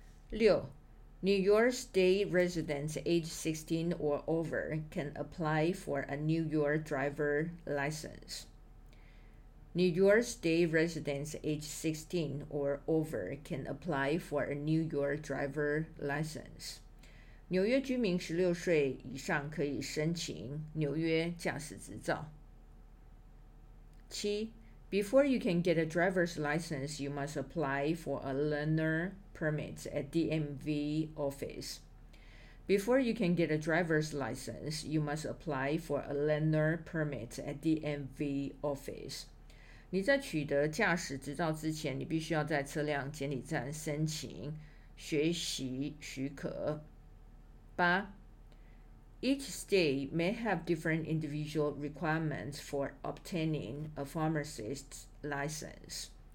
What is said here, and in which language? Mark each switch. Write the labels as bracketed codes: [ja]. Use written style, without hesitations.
[en] 六。New York State residents age 16 or over can apply for a New York driver license. New York State residents age 16 or over can apply for a New York driver license. [zh] 纽约居民16岁以上可以申请纽约驾驶执照。 [en] 七, before you can get a driver's license, you must apply for a learner permit at DMV office. Before you can get a driver's license, you must apply for a learner permit at DMV office. [zh] 你在取得驾驶执照之前，你必须要在车辆监理站申请学习许可。 [en] 八 ，Each state may have different individual requirements for obtaining a pharmacist's license.